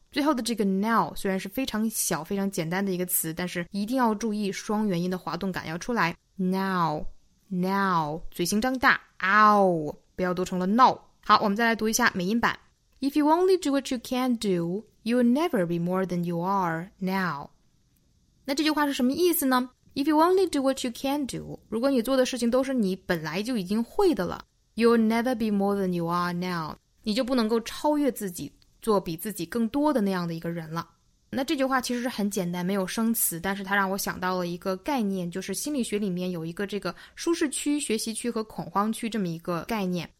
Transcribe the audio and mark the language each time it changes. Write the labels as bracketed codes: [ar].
[zh] 最后的这个 now 虽然是非常小非常简单的一个词，但是一定要注意双元音的滑动感要出来。 Now, now, 嘴型张大 ,ow, 不要读成了 no. 好，我们再来读一下美音版。 [en] If you only do what you can do, you'll never be more than you are now. [zh] 那这句话是什么意思呢？ [en] If you only do what you can do, [zh] 如果你做的事情都是你本来就已经会的了， [en] You'll never be more than you are now. [zh] 你就不能够超越自己，做比自己更多的那样的一个人了。那这句话其实是很简单，没有生词，但是它让我想到了一个概念，就是心理学里面有一个这个舒适区、学习区和恐慌区这么一个概念。